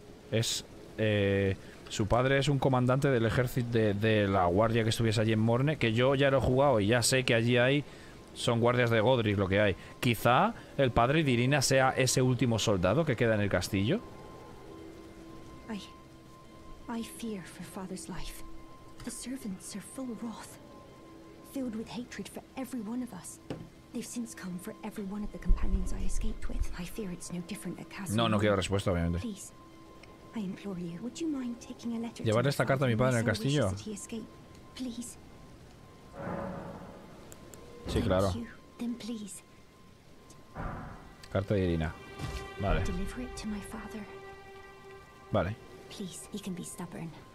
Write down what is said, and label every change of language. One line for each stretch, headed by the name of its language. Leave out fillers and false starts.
Spanish: Es su padre es un comandante del ejército de la guardia que estuviese allí en Morne, que yo ya lo he jugado y ya sé que allí hay son guardias de Godric lo que hay. Quizá el padre de Irina sea ese último soldado que queda en el castillo.
English: I fear for father's life. The servants are full wrath, filled with hatred for every one of us. They've since come for every one of the companions I escaped with. I fear it's no different at Castle.
Spanish: No, no quiero respuesta, obviamente.
English: Please, I implore you, would you mind taking a letter?
Spanish: Llevar esta carta a mi padre en el castillo.
English: Please.
Spanish: Sí, claro.
English: Then please.
Spanish: Carta de Irina. Vale.
English: Deliver it to my father.
Spanish: Vale.
English: Please, he can be stubborn.